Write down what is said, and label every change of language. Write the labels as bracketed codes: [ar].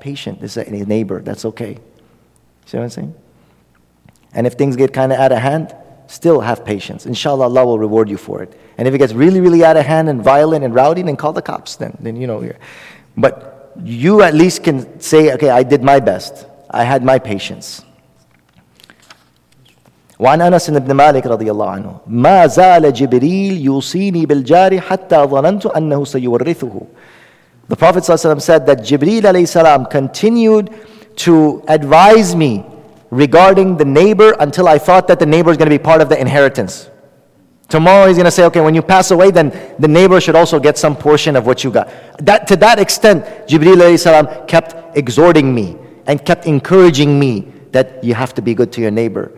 [en] Patient, this is a neighbor, that's okay. See what I'm saying? And if things get kind of out of hand, still have patience. Inshallah, Allah will reward you for it. And if it gets really, really out of hand and violent and rowdy, then call the cops then. But you at least can say, okay, I did my best. I had my patience. [ar] وعن أنس بن مالك رضي الله عنه ما زال جبريل يوصيني بالجار حتى ظننت أنه سيورثه. [en] The Prophet ﷺ said that Jibreel alayhi salam continued to advise me regarding the neighbor until I thought that the neighbor is going to be part of the inheritance. Tomorrow he's going to say, okay, when you pass away, then the neighbor should also get some portion of what you got. That, to that extent, Jibreel alayhi salam kept exhorting me and kept encouraging me that you have to be good to your neighbor.